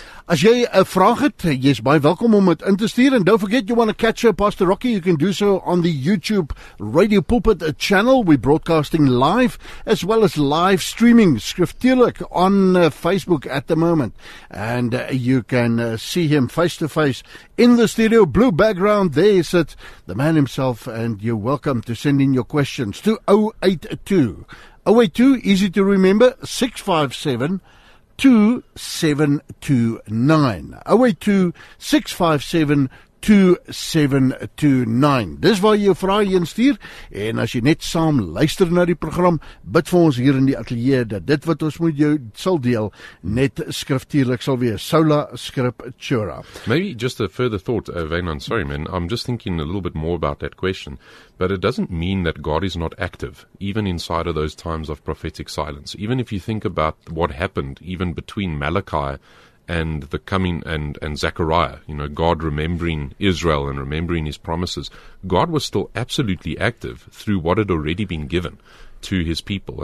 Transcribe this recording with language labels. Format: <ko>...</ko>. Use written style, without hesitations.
<af>As jy 'n vraag het, jy is baie welkom om dit in te stuur.</af> <en>And don't forget, you want to catch up Pastor Rocky, you can do so on the YouTube Radio Pulpit channel. We're broadcasting live as well as live streaming Skriftuurlik on Facebook at the moment. And you can see him face to face in the studio. Blue background, there is it, the man himself. And you're welcome to send in your questions to 082, easy to remember, 657-2729.</en> <af>Dis waar jy jou vrae heen stuur. En as jy net saam luister na die program, bid vir ons hier in die ateljee dat dit wat ons moet jou sal deel net skriftuurlik sal wees. Sola scriptura.</af> <en>Maybe just a further thought, Vaynant, sorry man, I'm just thinking a little bit more about that question. But it doesn't mean that God is not active, even inside of those times of prophetic silence. Even if you think about what happened, even between Malachi and the coming and Zechariah, you know, God remembering Israel and remembering his promises, God was still absolutely active through what had already been given to his people.</en>